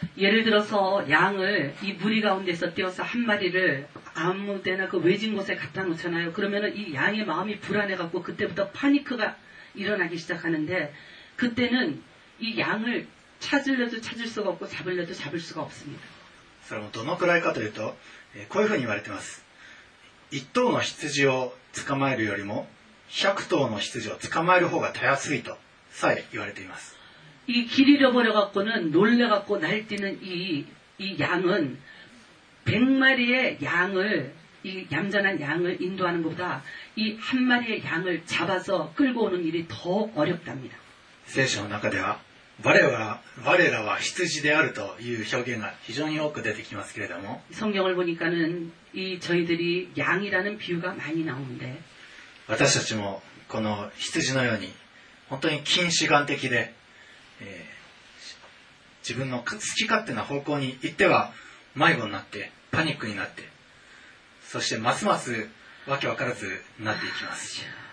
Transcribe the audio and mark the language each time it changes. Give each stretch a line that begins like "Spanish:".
Korean: 예를들어서양을이무리가운데서띄어서한마리를아무데나그외진곳에갖다놓잖아요그러면은이양의마음이불안해갖고그때부터파니크가일어나기시작하는데그때는이양을찾으려도찾을수가없고잡으려도잡을수가없습니다
Japanese: それもどのくらいかというとこういうふうに言われてます一頭の羊を捕まえるよりも100頭の羊を捕まえる方がたやすいとさえ言われています
Korean: 이길잃어버려갖고는놀래갖고날뛰는 이양은100마리의양을이얌전한양을인도하는것보다이한마리의양을잡아서끌고오는일이더어렵답니다
Japanese: 聖書の中では我らは羊であるという表現が非常に多く出てきますけれども
Korean: 성경을보니까는이저희들이양이라는비유가많이나오는데
Japanese: 私たちもこの羊のように本当に近視眼的で、自分の好き勝手な方向に行っては迷子になってパニックになってそしてますますわけわからずなっていきます。